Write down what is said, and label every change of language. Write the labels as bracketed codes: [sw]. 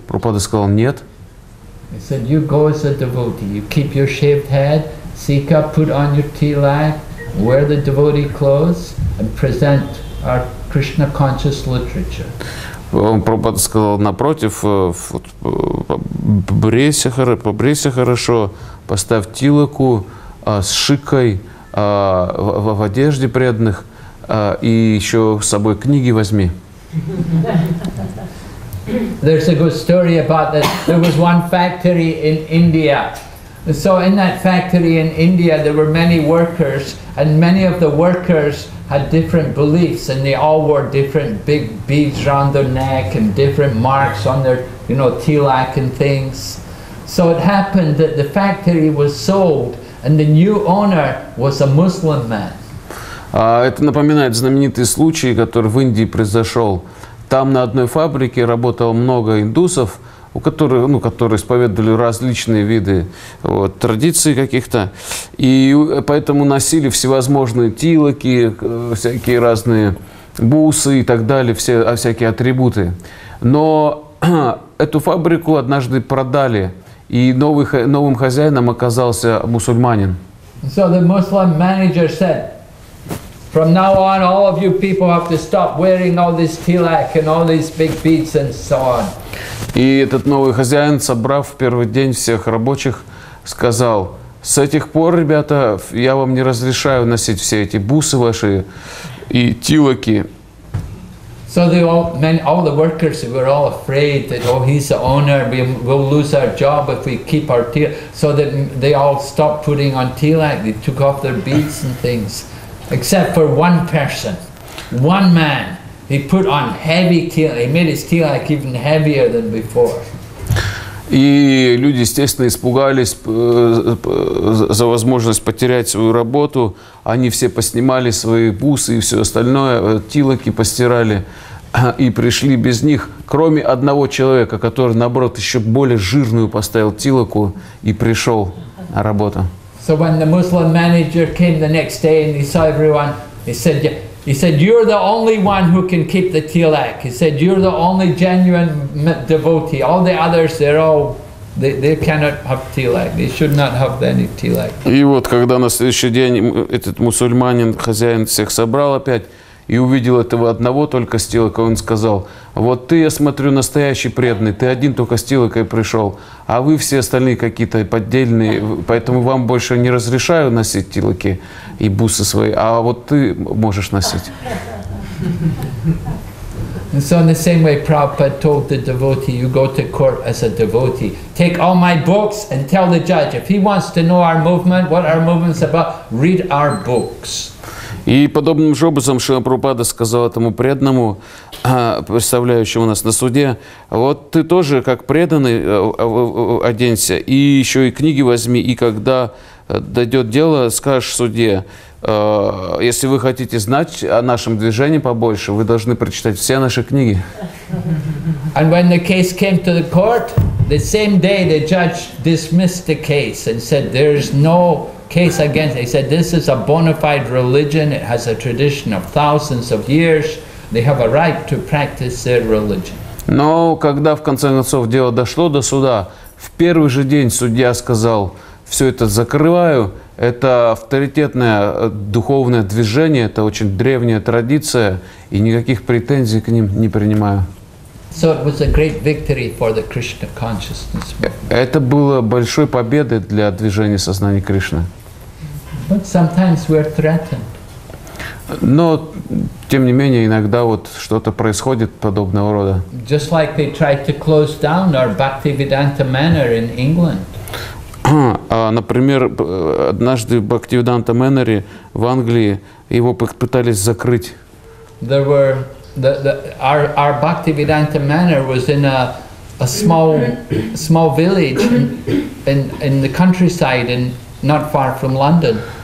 [ru] Прабхупада сказал: "Нет." [en] He said, "You go as a devotee. You keep your shaved head, seek up, put on your tilak, wear the devotee clothes, and present our Krishna conscious literature." [ru] Он Прабхупада сказал, напротив, побрейся хорошо, поставь тилаку с шикой в одежде преданных и еще с собой книги возьми. [en] There's a good story about that. There was one factory in India. So in that factory in India there were many workers, and many of the workers had different beliefs, and they all wore different big beads around their neck and different marks on their, you know, tilak and things. So it happened that the factory was sold, and the new owner was a Muslim man. [ru] Это напоминает знаменитый случай, который в Индии произошел. Там на одной фабрике работало много индусов, которые исповедовали различные виды традиций каких-то. И поэтому носили всевозможные тилаки, всякие разные бусы и так далее, всякие атрибуты. Но эту фабрику однажды продали, и новым хозяином оказался мусульманин. [en] So the Muslim manager said, from now on all of you people have to stop wearing all this tilak and all these big beads and so on. [ru] И этот новый хозяин, собрав в первый день всех рабочих, сказал: с этих пор, ребята, я вам не разрешаю носить все эти бусы ваши и тилаки. [en] So all the workers were all afraid that, oh, he's the owner, we will lose our job if we keep our tilak. So that they all stopped putting on tilak, they took off their beads and things. Except for one person, one man. He put on heavy tilak, he made his tilak even heavier than before. [ru] И люди, естественно, испугались за возможность потерять свою работу. Они все поснимали свои бусы и все остальное, тилаки постирали и пришли без них. Кроме одного человека, который, наоборот, еще более жирную поставил тилаку и пришел на работу. [en] So when the Muslim manager came the next day and he saw everyone, he said, you're the only one who can keep the tilak. He said, you're the only genuine devotee. All the others, they cannot have tilak. They should not have any tilak. [ru] И вот когда на следующий день этот мусульманин, хозяин всех собрал опять и увидел этого одного только с тилака, он сказал: вот ты, я смотрю, настоящий преданный, ты один только с тилакой пришел, а вы все остальные какие-то поддельные, поэтому вам больше не разрешаю носить тилаки и бусы свои, а вот ты можешь носить. [en] And so in the same way, Prabhupada told the devotee, you go to court as a devotee. Take all my books and tell the judge. If he wants to know our movement, what our movement's about, read our books. [ru] И подобным же образом Шрила Прабхупада сказал этому преданному, представляющему нас на суде, вот ты тоже как преданный оденься, и еще и книги возьми, и когда дойдет дело, скажешь судье, если вы хотите знать о нашем движении побольше, вы должны прочитать все наши книги. [en] And when the case came to the court, the same day the judge dismissed the case and said, there's no case against. They said, this is a bona fide religion. It has a tradition of thousands of years. They have a right to practice their religion. [ru] Но когда в конце концов дело дошло до суда, в первый же день судья сказал, все это закрываю. Это авторитетное духовное движение, это очень древняя традиция, и никаких претензий к ним не принимаю. [en] So it was a great victory for the Krishna consciousness movement. [ru] Это было большой победой для движения сознания Кришны. [en] But sometimes we're threatened. [ru] Но, тем не менее, иногда вот что-то происходит подобного рода. [en] Just like they tried to close down our Bhaktivedanta Manor in England. [ru] Например, однажды в Бхактивиданта Мэннере в Англии его пытались закрыть. [en] There were our Bhaktivedanta Manor was in a small village in the countryside and not far from London.